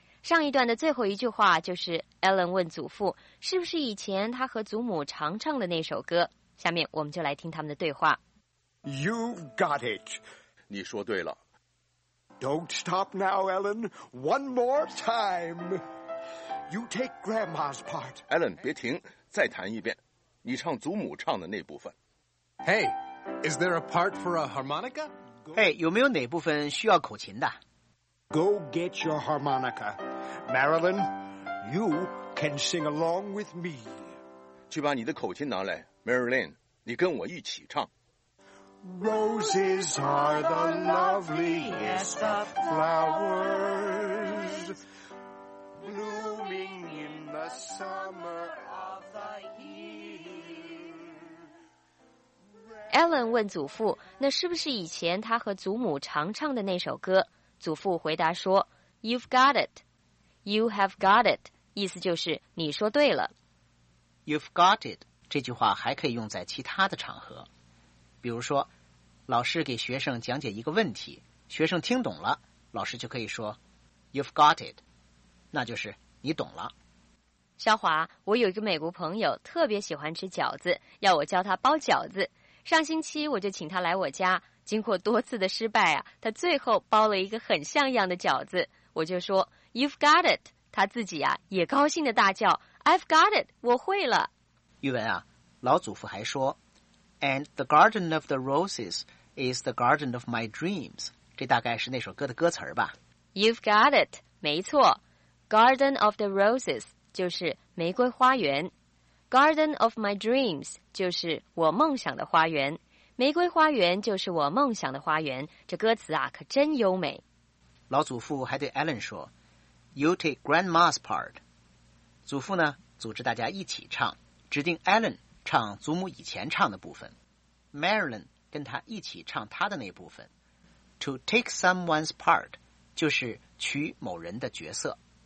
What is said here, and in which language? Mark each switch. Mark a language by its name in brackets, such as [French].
[Chinese] 上一段的最后一句话就是 Ellen 问祖父是不是以前他和祖母常唱的那首歌。下面我们就来听他们的对话。 [English] You've got it. [Chinese] 你说对了。 [English] Don't stop now, Ellen. One more time. You take Grandma's part. [Chinese] Ellen, 别停，再弹一遍。你唱祖母唱的那部分。 [English] Hey, is there a part for a harmonica? [Chinese] Hey, 有没有哪部分需要口琴的？ [English] Go get your harmonica. Marilyn, you can sing along with me. [Chinese] 去把你的口琴拿来， Marilyn, 你跟我一起唱。 [English] Roses are the loveliest of flowers, blooming in the summer of the year. [Chinese] Ellen 问祖父，那是不是以前他和祖母常唱的那首歌？祖父回答说 [English] You've got it. You have got it. [Chinese] 意思就是你说对了。 [English] You've got it. [Chinese] 这句话还可以用在其他的场合。比如说老师给学生讲解一个问题，学生听懂了，老师就可以说 [English] You've got it， [Chinese] 那就是你懂了。小华，我有一个美国朋友特别喜欢吃饺子，要我教他包饺子。上星期我就请他来我家，经过多次的失败啊，他最后包了一个很像样的饺子。我就说 [English] You've got it， [Chinese] 他自己啊也高兴地大叫 [English] I've got it， [Chinese] 我会了。玉文啊，老祖父还说 [English] And the garden of the roses is the garden of my dreams. [Chinese] 这大概是那首歌的歌词吧。 [English] You've got it. [Chinese] 没错。 [English] Garden of the roses [Chinese] 就是玫瑰花园。 [English] Garden of my dreams [Chinese] 就是我梦想的花园。玫瑰花园就是我梦想的花园。这歌词啊可真优美。老祖父还对 Ellen 说 [English] You take grandma's part. [Chinese] 祖父呢组织大家一起唱，指定 Ellen唱祖母以前唱的部分， Marilyn 跟他一起唱他的那部分。 [English] To take someone's part [Chinese] 就是取某人的角色。